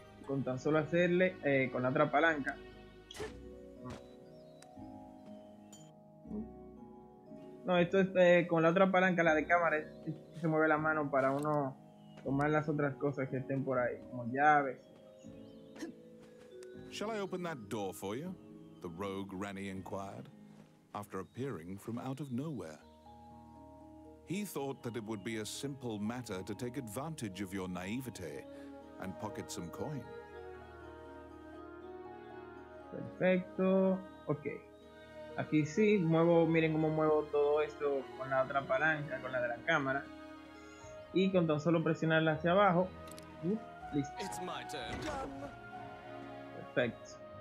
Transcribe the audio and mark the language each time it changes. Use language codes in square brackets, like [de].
[es] Con tan solo hacerle con la otra palanca. No, esto es con la otra palanca, la de cámara, se mueve la mano para uno tomar las otras cosas que estén por ahí, como llaves. [en] Shall I open that door for you? The rogue Rennie inquired, after appearing from out of nowhere. He thought that it would be a simple matter to take advantage of your naivete and pocket some coin. [es] Perfecto, ok. Aquí sí, muevo, miren cómo muevo todo esto con la otra palanca, con la de la cámara. Y con tan solo presionarla hacia abajo. Listo. [en] It's my turn. [es] Perfecto.